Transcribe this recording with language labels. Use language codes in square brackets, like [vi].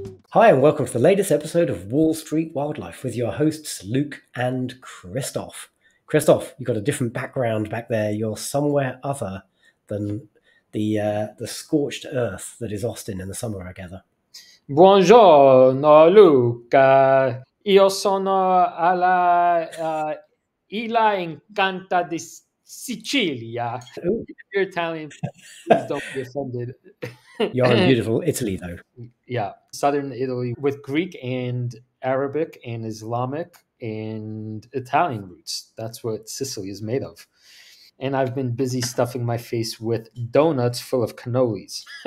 [en] Hi, and welcome to the latest episode of Wall Street Wildlife with your hosts, Luke and Krzysztof. Krzysztof, you've got a different background back there. You're somewhere other than the scorched earth that is Austin in the summer, I gather. [it] Buongiorno, Luke. Io sono alla Isla Incanta di Sicilia. [en] If you're Italian, please don't be offended. You're in beautiful Italy, though. Yeah, southern Italy with Greek and Arabic and Islamic and Italian roots. That's what Sicily is made of. And I've been busy stuffing my face with donuts full of cannolis.